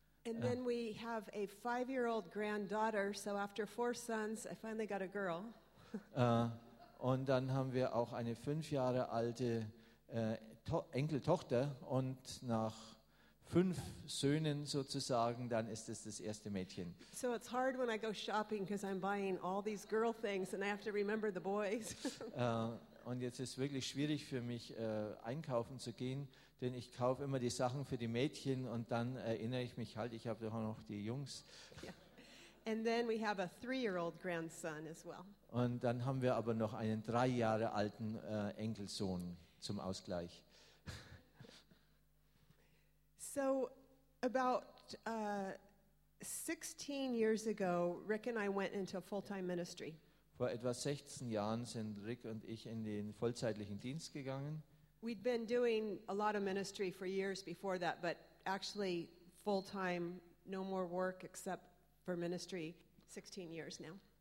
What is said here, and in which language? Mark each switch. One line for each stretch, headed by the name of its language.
English: And then we have a 5-year-old granddaughter, so after 4 sons, I finally got a girl.
German: Und dann haben wir auch eine 5 Jahre alte Enkeltochter und nach 5 Söhnen sozusagen, dann ist es das erste Mädchen.
English: So it's hard when I go shopping because I'm buying all these girl things and I have to remember the boys.
German: Und jetzt ist wirklich schwierig für mich einkaufen zu gehen, denn ich kaufe immer die Sachen für die Mädchen und dann erinnere ich mich halt, ich habe doch auch noch die Jungs.
English: Yeah. And then we have a 3-year-old grandson as well.
German: Und dann haben wir aber noch einen 3 Jahre alten Enkelsohn zum Ausgleich.
English: So about 16 years ago, Rick and I went into full-time ministry.
German: Vor etwa 16 Jahren sind Rick und ich in den vollzeitlichen Dienst gegangen.
English: We'd been doing a lot of ministry for years before that, but actually full-time, no more work except for ministry 16 years now.